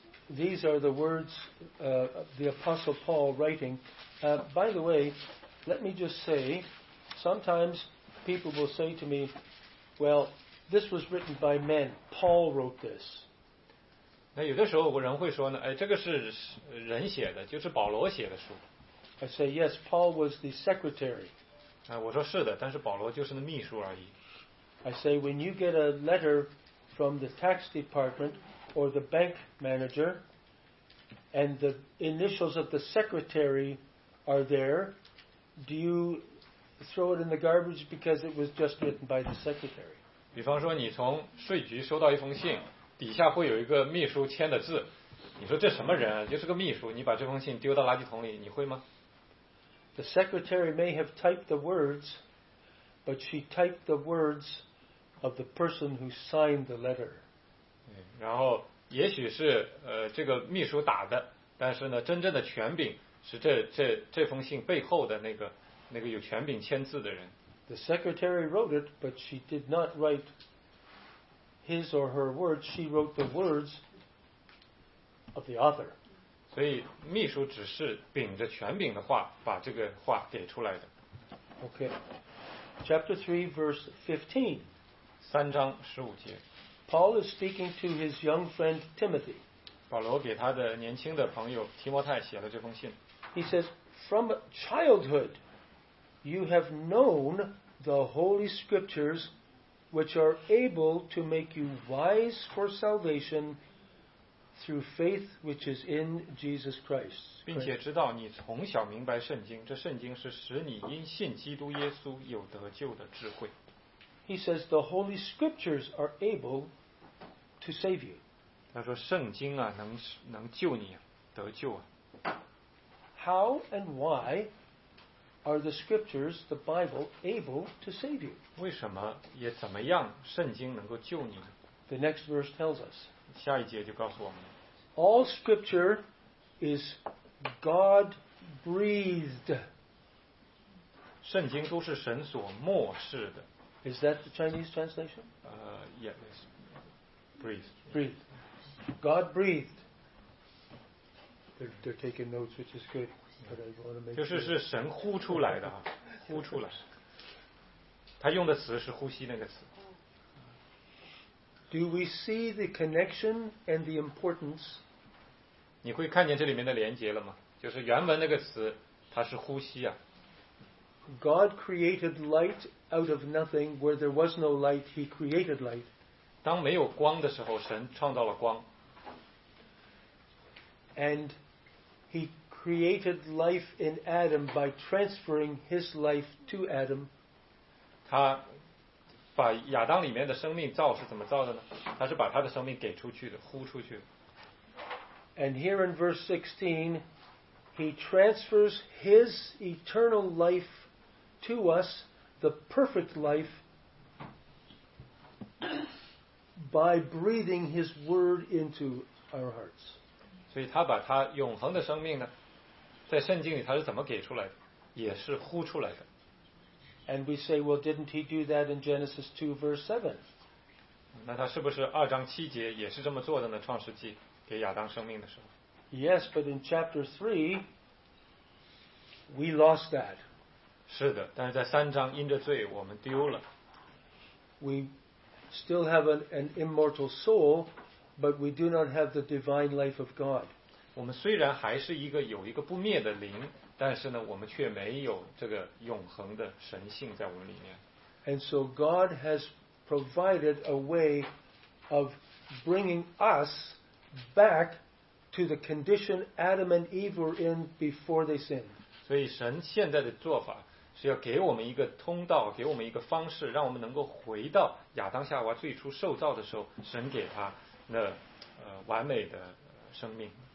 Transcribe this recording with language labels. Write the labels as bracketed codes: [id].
[en] These are the words of the Apostle Paul writing. By the way, let me just say, sometimes people will say to me, well, this was written by men. Paul wrote this. [zh] 那有的时候人会说呢，哎，这个是人写的，就是保罗写的书。 [en] I say, yes, Paul was the secretary. [zh] 我说是的，但是保罗就是那秘书而已。 [en] I say, when you get a letter from the tax department,or the bank manager, and the initials of the secretary are there, do you throw it in the garbage because it was just written by the secretary? [zh] 比方说你从税局收到一封信，底下会有一个秘书签的字，你说这什么人啊，就是个秘书，你把这封信丢到垃圾桶里，你会吗？ [en] The secretary may have typed the words, but she typed the words of the person who signed the letter. [zh] 然后也许是这个秘书打的，但是呢真正的权柄是这封信背后的那个有权柄签字的人。 [en] The secretary wrote it, but she did not write his or her words. She wrote the words of the author. [zh] 所以秘书只是秉着权柄的话把这个话给出来的。 [en] Okay. Chapter 3 verse 15. [zh] 三章十五节。 [en] Paul is speaking to his young friend Timothy. [zh] 保罗给他的年轻的朋友提摩太写了这封信。 [en] He says, "From childhood, you have known the holy scriptures, which are able to make you wise for salvation through faith which is in Jesus Christ." [zh] 并且知道你从小明白圣经，这圣经是使你因信基督耶稣有得救的智慧。 [en] He says the Holy Scriptures are able to save you. [zh] 他说圣经啊能救你得救啊。 [en] How and why are the Scriptures, the Bible, able to save you? [zh] 为什么也怎么样圣经能够救你呢？ [en] The next verse tells us. [zh] 下一节就告诉我们。 [en] All Scripture is God-breathed. [zh] 圣经都是神所默示的。 [en] Is that the Chinese translation? Yes. Breathe. Breathe. God breathed. They're taking notes, which is good. But I want to make. [zh] 就是是神呼出来的哈，呼出来。他用的词是呼吸那个词。 [en] Do we see the connection and the importance? [zh] 你会看见这里面的连接了吗？就是原文那个词，它是呼吸啊。 [en] God created light out of nothing. Where there was no light, He created light. [zh] 当没有光的时候，神创造了光。 [en] And He created life in Adam by transferring His life to Adam. [zh] 他把亚当里面的生命造是怎么造的呢？他是把他的生命给出去的，呼出去。 [en] And here in verse 16, He transfers His eternal life. To us, the perfect life by breathing His word into our hearts. [zh] 所以他把他永恒的生命呢，在圣经里他是怎么给出来的？也是呼出来的。 [en] And we say, well, didn't he do that in Genesis 2, verse 7? [zh] 那他是不是二章七节也是这么做的呢？创世纪给亚当生命的时候。 [en] Yes, but in chapter 3, we lost that. [zh] 是的，但是在三章因着罪我们丢了。 [en] We still have an immortal soul, but we do not have the divine life of God. [zh] 我们虽然还是一个有一个不灭的灵，但是呢，我们却没有这个永恒的神性在我们里面。 [en] And so God has provided a way of bringing us back to the condition Adam and Eve were in before they sinned. [zh] 所以神现在的做法是要给我们一个通道，给我们一个方式，让我们能够回到亚当夏娃最初受造的时候，神给他那完美的生命。